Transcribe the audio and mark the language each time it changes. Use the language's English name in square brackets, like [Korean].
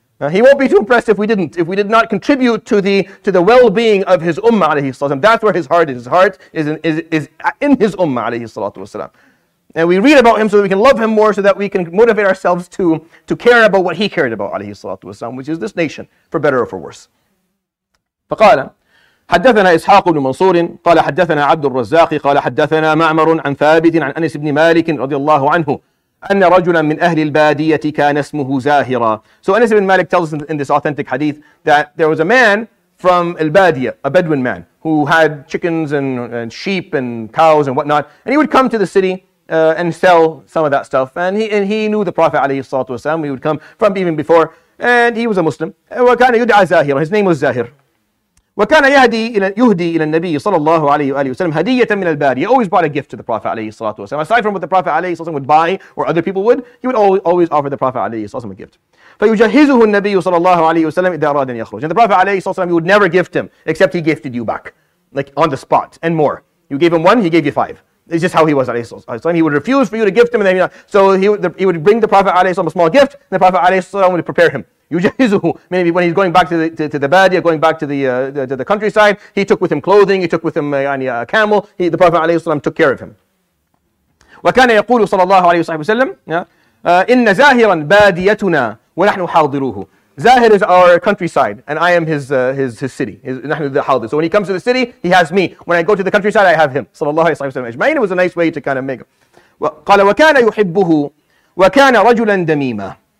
[English] He won't be too impressed if we did not contribute to the well-being of his ummah, alayhi salatu wasalam. That's where his heart is. His heart is in his ummah, alayhi salatu wasalam. And we read about him so that we can love him more, so that we can motivate ourselves to care about what he cared about, alayhi salatu wasalam, which is this nation, for better or for worse. [Arabic] فقال حدثنا إسحاق بن منصور قال حدثنا عبد الرزاق قال حدثنا معمر عن ثابت عن أنس بن مالك رضي الله عنه أن رجلا من أهل البادية كان اسمه زاهرا. [English] So Anas ibn Malik tells us in this authentic hadith that there was a man from al-Badiyah, a Bedouin man, who had chickens and sheep and cows and whatnot, and he would come to the city and sell some of that stuff. And he knew the Prophet عليه الصلاة والسلام. He would come from even before, and he was a Muslim. [Arabic] وكان يدعى زاهرا. [English] His name was Zahir. [Arabic] وكان يهدي إلى النبي صلى الله عليه وآله وسلم هدية من البادية. [English] He always brought a gift to the Prophet عليه الصلاة والسلام. Aside from what the Prophet عليه الصلاة والسلام would buy or other people would, he would always offer the Prophet عليه الصلاة والسلام a gift. [Arabic] فيجهزه النبي صلى الله عليه وسلم إذا أراد أن يخرج. [English] And the Prophet عليه الصلاة والسلام, he would never gift him except he gifted you back, like on the spot and more. You gave him one, he gave you five. It's just how he was, عليه الصلاة والسلام. He would refuse for you to gift him, and then he would bring the Prophet عليه الصلاة والسلام a small gift, and the Prophet عليه الصلاة والسلام would prepare him. [Arabic] يجهزه. [English] Maybe when he's going back to the Badia, going back to the countryside, he took with him clothing, he took with him a camel. The Prophet عليه الصلاة والسلام took care of him. [Arabic] وكان يقول صلى الله عليه وسلم إن زاهرا باديتنا ونحن حاضروه. [English] Zahir is our countryside, and I am his city. [Arabic] نحن ذا حاضر. [English] So when he comes to the city, he has me. When I go to the countryside, I have him. [Arabic] صلى الله عليه وسلم. [English] أجمعين. It was a nice way to kind of make him. [Arabic] قال وكان يحبه وكان رجلا دميما.